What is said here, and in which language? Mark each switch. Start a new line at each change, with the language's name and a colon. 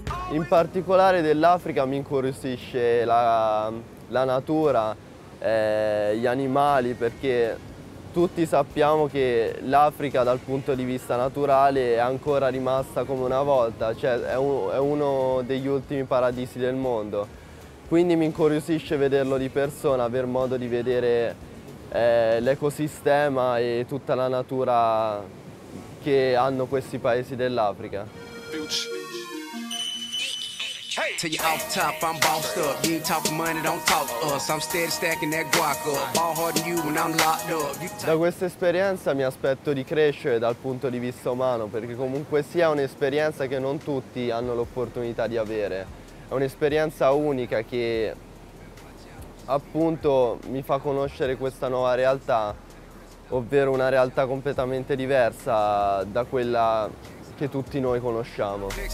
Italian: In particolare dell'Africa mi incuriosisce la natura, gli animali, perché tutti sappiamo che l'Africa dal punto di vista naturale è ancora rimasta come una volta, cioè è uno degli ultimi paradisi del mondo. Quindi mi incuriosisce vederlo di persona, aver modo di vedere l'ecosistema e tutta la natura che hanno questi paesi dell'Africa.
English: To you off top, I'm bossed up. You ain't talking money, don't talk to us. I'm steady stacking that guac up. Ball harder you when I'm locked up.
Italian: Da questa esperienza mi aspetto di crescere dal punto di vista umano, perché comunque sia un'esperienza che non tutti hanno l'opportunità di avere. È un'esperienza unica che appunto mi fa conoscere questa nuova realtà, ovvero una realtà completamente diversa da quella che tutti noi conosciamo.